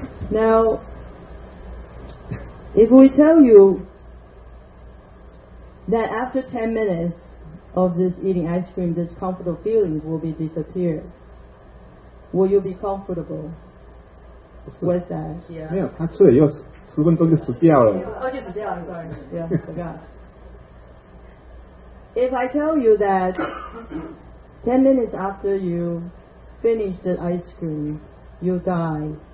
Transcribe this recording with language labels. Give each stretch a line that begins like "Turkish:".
English: Now, if we tell you that after 10 minutes of this eating ice cream, this comfortable feelings will be disappeared, will you be comfortable with that? Yeah.
Chinese: 没有，他吃了又十分钟就死掉了。哦，就死掉了 ，
English: sorry. Yeah, forgot. If I tell you that 10 minutes after you finish the ice cream, you die.